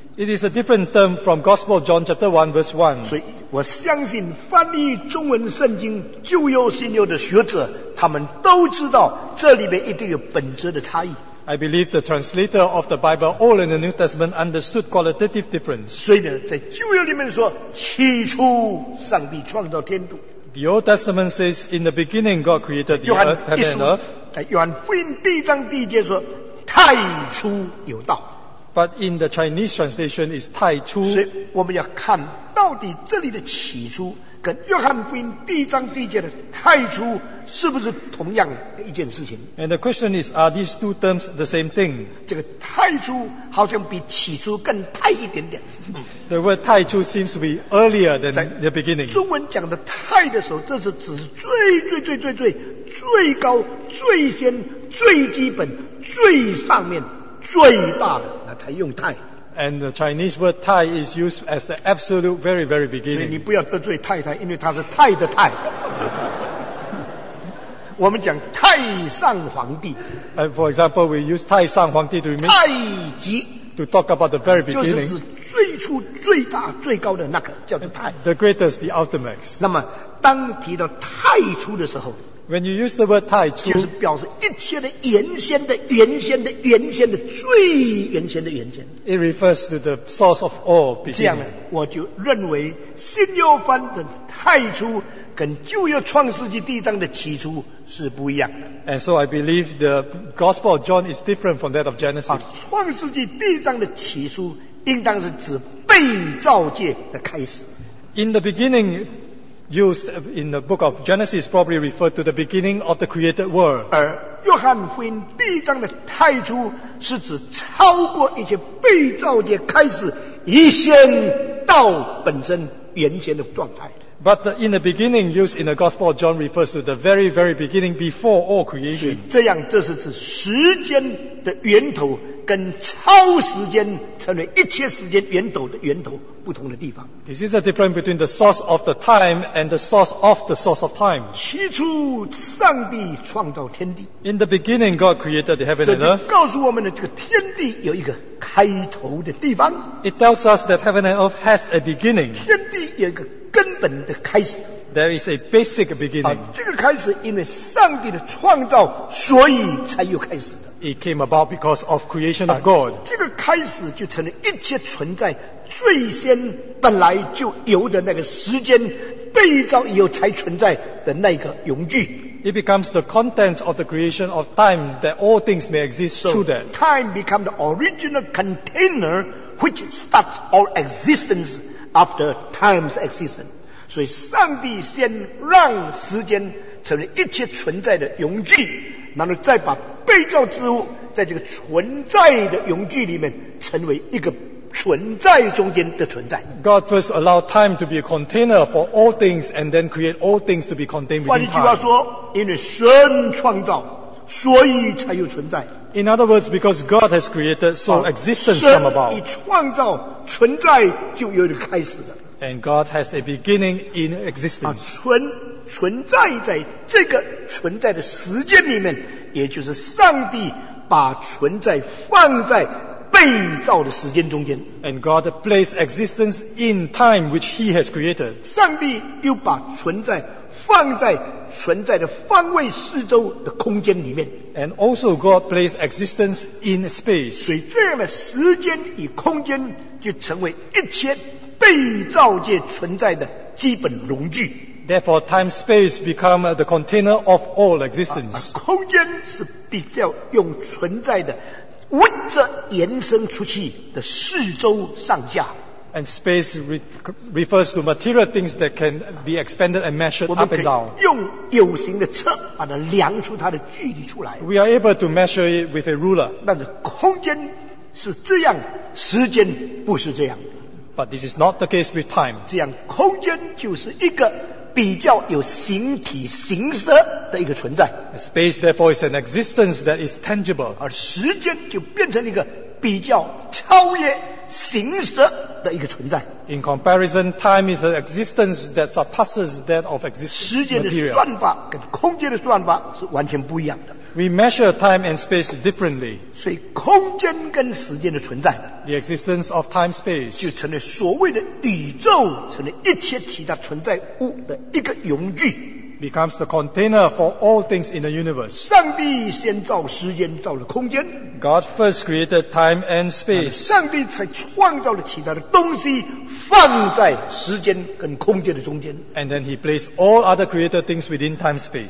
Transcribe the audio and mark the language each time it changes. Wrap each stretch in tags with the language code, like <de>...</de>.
<en>It is a different term from Gospel John chapter 1 verse 1.</en> <zh>所以我相信翻译中文圣经旧约新约的学者，他们都知道这里面一定有本质的差异。</zh> <en>I believe the translator of the Bible all in the New Testament understood qualitative difference.</en> <zh>所以呢，在旧约里面说起初上帝创造天地。</zh> <en>The Old Testament says, in the beginning, God created the earth, heaven and earth.</en> <zh>在约翰福音第一章第一节说，太初有道。</zh> <en>But in the Chinese translation, it's 太初。</en> <zh>所以我们要看到底这里的起初跟约翰福音第一章第一节的太初是不是同样的一件事情。</zh> <en>And the question is, are these two terms the same thing?</en> <zh>这个太初好像比起初更太一点点。</zh> <en>The word 太初 seems to be earlier than the beginning.</en> <zh>中文讲的太的时候，这是指最最最最最最高、最先、最基本、最上面、最大的，那才用太。</zh> <en>And the Chinese word 太 is used as the absolute very, very beginning.</en> <zh>所以你不要得罪太太，因为她是太的太。我们讲太上皇帝。</zh> <en>And for example, we use 太上皇帝 to mean</en> <zh>太极。</zh> <en>To talk about the very beginning.</en> <zh>就是指最初最大最高的那个叫做太。</zh> <en>The greatest, the ultimate.</en> <zh>那么当提到太初的时候。</zh> <en>When you use the word 太初，</en> <zh>就是表示一切的原先的原先的原先的最原先的原先。</zh> <en>It refers to the source of all beginning.</en> <zh>这样呢，我就认为新约翻的太初跟旧约创世纪第一章的起初是不一样的。</zh> <en>And so I believe the Gospel of John is different from that of Genesis.</en> <zh>啊，创世纪第一章的起初应当是指被造界的开始。</zh> <en>In the beginning. Used in the book of Genesis probably referred to the beginning of the created world.</en> <zh>而约翰福音第一章的太初是指超过一切被造界开始一先到本身原先的状态。</zh> <en>But the, in the beginning used in the Gospel of John refers to the very, very beginning before all creation.</en> <zh>所以这样这是指时间的源头跟超时间成为一切时间源头的源头不同的地方。</zh> <en>This is the difference between the source of the time and the source of the source of time.</en> <zh>起初上帝创造天地。</zh> <en>In the beginning God created the heaven and earth.</en> <zh>这就告诉我们的这个天地有一个开头的地方。</zh> <en>It tells us that heaven and earth has a beginning.</en> <zh>天地有一个根本的开始。</zh> <en>There is a basic beginning.</en> <zh>这个开始因为上帝的创造所以才有开始的。</zh> <en>It came about because of creation of God.</en> <zh>这个开始就成了一切存在最先本来就有的那个时间被造以后才存在的那个永具。</zh> <en>It becomes the content of the creation of time that all things may exist through that. Time becomes the original container which starts all existence after time's existence.</en> <zh>所以上帝先让时间成了一切存在的永具，然后再把被造之物在这个存在的永具里面成为一个存在中间的存在。</zh> <en>God first allowed time to be a container for all things and then create all things to be contained within time.</en> <zh>换句话说，因为神创造，所以才有存在。</zh> <en>In other words, because God has created, so existence come about.</en> <zh>神一创造，存在就有一个开始了。</zh> <en>And God has a beginning in existence.</en> <zh>存在在这个存在的时间里面，也就是上帝把存在放在被造的时间中间。</zh> <en>And God placed existence in time which He has created.</en> <zh>上帝又把存在放在存在的方位四周的空间里面。</zh> <en>And also God placed existence in space.</en> <zh>所以这样的时间与空间就成为一切被造界存在的基本容具。</zh> <en>Therefore, time space become the container of all existence.</en> <zh>空间是比较用存在的围着延伸出去的四周上下。</zh> <en>And space refers to material things that can be expanded and measured up and down.</en> <zh>用有形的尺把它量出它的距离出来。</zh> <en>We are able to measure it with a ruler.</en> <zh>但是空间是这样，时间不是这样。</zh> <en>But this is not the case with time.</en> <zh>这样空间就是一个比较有形体形色的一个存在。</zh> <en>Space therefore is an existence that is tangible.</en> <zh>而时间就变成一个比较超越形色的一个存在。</zh> <en>In comparison, time is an existence that surpasses that of existence.</en> <zh>时间的算法跟空间的算法是完全不一样的。</zh> <en>We measure time and space differently.</en> <zh>所以空间跟时间的存在</zh> <en>，the existence of time space，</en> <zh>就成了所谓的宇宙，成了一切其他存在物的一个容具。</zh> <en>Becomes the container for all things in the universe.</en> <zh>上帝先造时间，造了空间。</zh> <en>God first created time and space.</en> <zh>上帝才创造了其他的东西，放在时间跟空间的中间。</zh> <en>And then he placed all other created things within time space.</en>